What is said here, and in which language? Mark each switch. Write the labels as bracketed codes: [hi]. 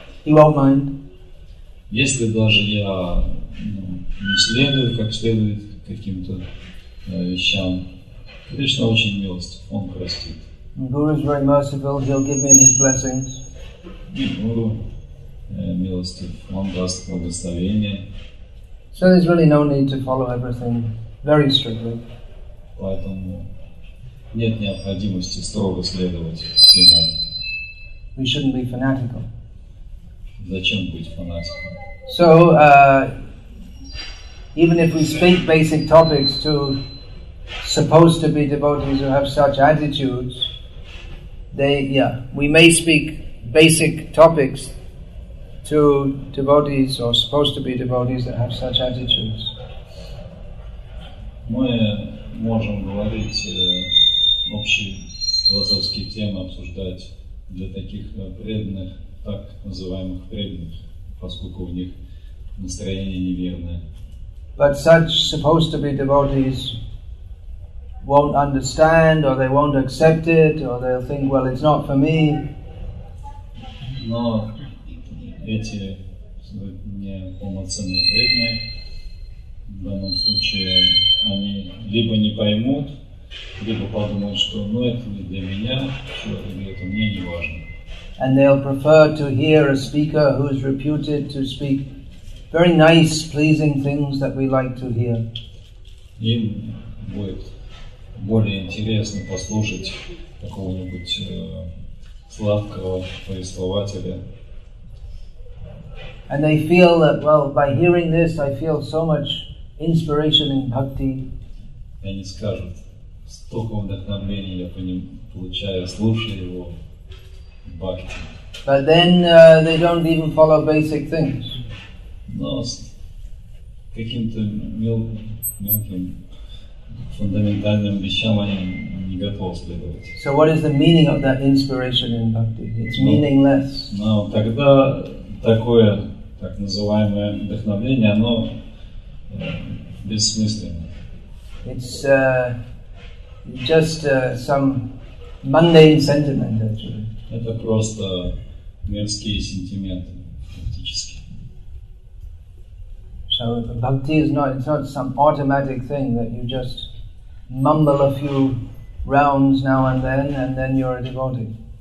[en] He won't mind. [ru] Если даже я не следую как следует каким-то вещам, Кришна очень милостив, он простит. [en] Guru is very merciful, he'll give me his blessings. [ru] Guru милостив, он даст благословение. [en] So there's really no need to follow everything very strictly. [ru] Поэтому нет необходимости строго следовать всему. [en] We shouldn't be fanatical. [ru] Зачем быть фанатиком? [en] So, even if we speak basic topics to supposed to be devotees who have such attitudes, we may speak basic topics to devotees or supposed to be devotees that have such attitudes. [ru] Мы можем говорить общие философские темы, обсуждать для таких преданных, так называемых преданных, поскольку у них настроение неверное. [en] But such supposed to be devotees won't understand, or they won't accept it, or they'll think, well, it's not for me. [ru] Но эти неполноценные преданные, в данном случае, они либо не поймут, либо подумают, что ну это не для меня, что это мне не важно. [en] And they'll prefer to hear a speaker who is reputed to speak very nice, pleasing things that we like to hear. [ru] Им будет более интересно послушать какого-нибудь сладкого повествователя. [en] And they feel that, well, by hearing this, I feel so much inspiration in bhakti. [ru] И они скажут, столько вдохновения я по ним получаю, слушая его в бхакти. [en] But then they don't even follow basic things. [ru] Но с каким-то мелким фундаментальным вещам они не готовы следовать. [en] So what is the meaning of that inspiration in bhakti? It's meaningless. [ru] Но тогда такое так называемое вдохновение, оно бессмысленно. [en] It's just some mundane sentiment, actually. [ru] Это просто мирские сентименты, фактически. [en] So bhakti is not—it's not some automatic thing that you just mumble a few rounds now and then you're a devotee.